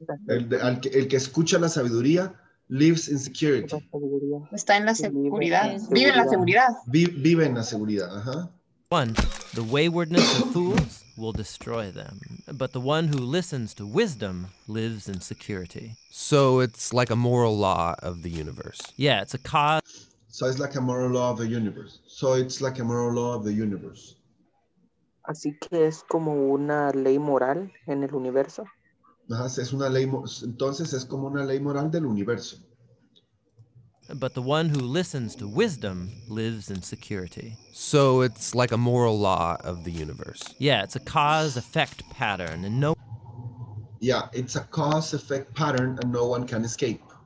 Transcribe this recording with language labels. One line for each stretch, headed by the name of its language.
Spanish: El que escucha la sabiduría
English: lives in security.
Spanish: Está en la seguridad, vive en la seguridad. Vive en la seguridad, ajá.
English: One, the waywardness of fools will destroy them, but the one who listens to wisdom lives in security. So it's like a moral law of the universe. Yeah, it's a cause. So it's like a moral law of the universe.
Spanish: Así que es como una ley moral en el universo. Ajá, es una ley. Entonces es como una ley moral del universo.
English: But the one who listens to wisdom lives in security. So it's like a moral law of the universe. Yeah, it's a cause-effect pattern, and no... Yeah, it's a cause-effect pattern, and no one can escape.